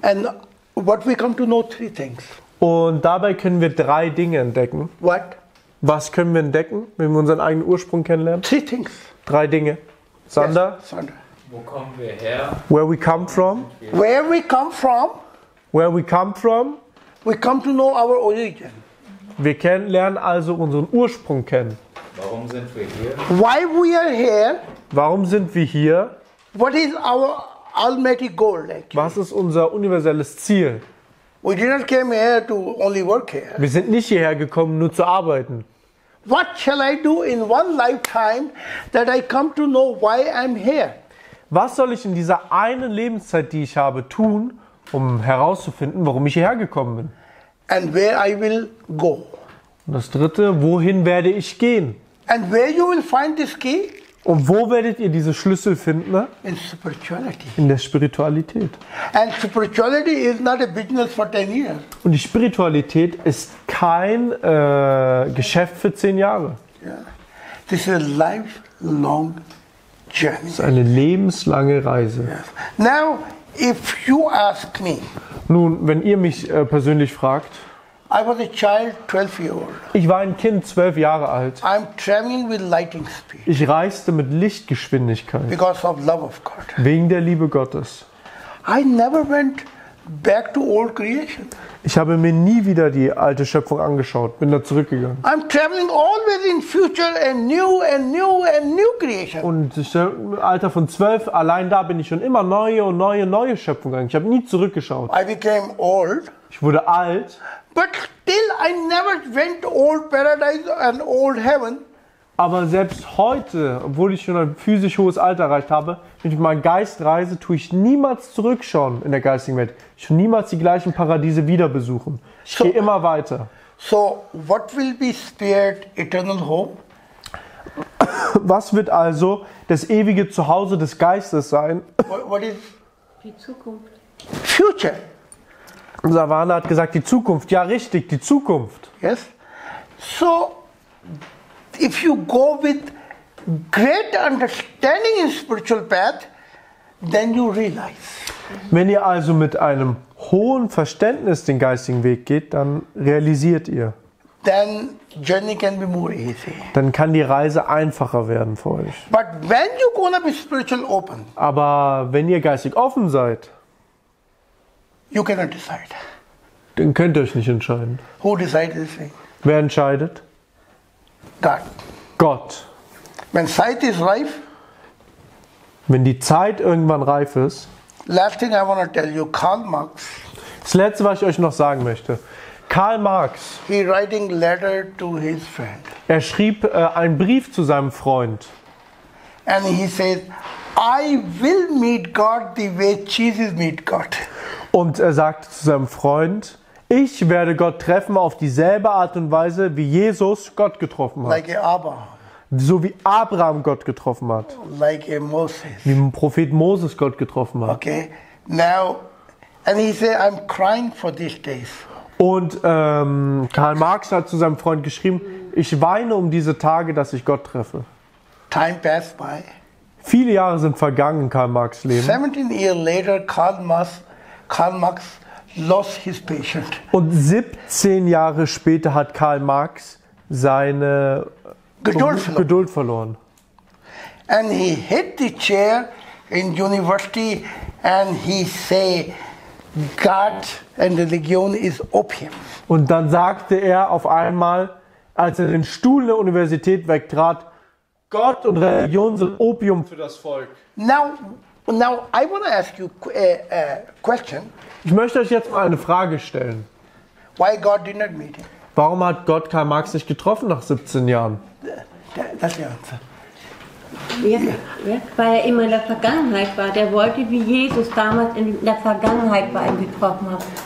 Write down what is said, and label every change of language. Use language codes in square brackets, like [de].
[en] And what we come to know three things. [de] Und dabei können wir drei Dinge entdecken. [en] What? [de] Was können wir entdecken, wenn wir unseren eigenen Ursprung kennenlernen? [en] Three things. [de] Drei Dinge. Sander? Yes, Sander. Wo kommen wir her? [en] Where we come from? Where we come from? Where we come from? We come to know our origin. [de] Wir lernen also unseren Ursprung kennen. Warum sind wir hier? [en] Why we are here? [de] Warum sind wir hier? [en] What is our ultimate goal, actually? [de] Was ist unser universelles Ziel? [en] We did not came here to only work here. [de] Wir sind nicht hierher gekommen, nur zu arbeiten. [en] What shall I do in one lifetime that I come to know why I'm here? [de] Was soll ich in dieser einen Lebenszeit, die ich habe, tun, um herauszufinden, warum ich hierher gekommen bin? [en] And where I will go. [de] Und das Dritte, wohin werde ich gehen? [en] And where you will find this key? [de] Und wo werdet ihr diese Schlüssel finden? Ne? [en] In spirituality. [de] In der Spiritualität. [en] And spirituality is not a business for 10 years. [de] Und die Spiritualität ist kein Geschäft für 10 Jahre. [en] Yeah. This is a lifelong journey. [de] Das ist eine lebenslange Reise. [en] Yes. Now, if you ask me, [de] nun, wenn ihr mich persönlich fragt, [en] I was a child, 12 years old. [de] Ich war ein Kind, 12 Jahre alt. [en] I'm traveling with lightning speed. [de] Ich reiste mit Lichtgeschwindigkeit. [en] Because of love of God. [de] Wegen der Liebe Gottes. [en] I never went back to old creation. [de] Ich habe mir nie wieder die alte Schöpfung angeschaut, bin da zurückgegangen. [en] I'm traveling always in future and new and new and new creation. [de] Und im Alter von 12 allein da bin ich schon immer neue und neue neue Schöpfung gegangen. Ich habe nie zurückgeschaut. [en] I became old. [de] Ich wurde alt. [en] But still I never went old paradise and old heaven. [de] Aber selbst heute, obwohl ich schon ein physisch hohes Alter erreicht habe, wenn ich mit meinem Geist reise, tue ich niemals zurückschauen in der geistigen Welt. Ich will niemals die gleichen Paradiese wieder besuchen. Ich gehe immer weiter. [en] So, what will be spirit eternal home? [de] Was wird also das ewige Zuhause des Geistes sein? [en] What is? [de] Die Zukunft. [en] Future. [de] Savannah hat gesagt, die Zukunft. Ja, richtig, die Zukunft. [en] Yes. So, if you go with great understanding in spiritual path, then you realize. [de] Wenn ihr also mit einem hohen Verständnis den geistigen Weg geht, dann realisiert ihr. [en] Then journey can be more easy. [de] Dann kann die Reise einfacher werden für euch. [en] But when you gonna be spiritual open. [de] Aber wenn ihr geistig offen seid, [en] you cannot decide. [de] Dann könnt ihr euch nicht entscheiden. [en] Who decides this thing? [de] Wer entscheidet? [en] God. [de] Gott. [en] When sight is ripe. [de] Wenn die Zeit irgendwann reif ist. [en] Last thing I want to tell you, Karl Marx. [de] Das Letzte, was ich euch noch sagen möchte. Karl Marx. [en] He writing letter to his friend. [de] Er schrieb einen Brief zu seinem Freund. [en] And he says, I will meet God the way Jesus meet God. [de] Und er sagte zu seinem Freund, ich werde Gott treffen auf dieselbe Art und Weise, wie Jesus Gott getroffen hat. [en] Like Abraham. [de] So wie Abraham Gott getroffen hat. [en] Like Moses. [de] Wie Prophet Moses Gott getroffen hat. [en] Okay. Now, and he said, I'm crying for these days. [de] Und Karl Marx hat zu seinem Freund geschrieben, ich weine um diese Tage, dass ich Gott treffe. [en] Time passed by. [de] Viele Jahre sind vergangen in Karl Marx' Leben. [en] 17 years later, Karl Marx lost his patient. [de] Und 17 Jahre später hat Karl Marx seine Geduld verloren. [en] And he hit the chair in university and he say, God and religion is opium. [de] Und dann sagte er auf einmal, als er den Stuhl der Universität wegtrat, Gott und Religion sind Opium für das Volk. [en] Now I want to ask you a question. [de] Ich möchte euch jetzt mal eine Frage stellen. [en] Why God did not meet him? [de] Warum hat Gott Karl Marx nicht getroffen nach 17 Jahren? [en] That's the answer. [de] Weil er immer in der Vergangenheit war. Der wollte, wie Jesus damals in der Vergangenheit bei ihm getroffen hat.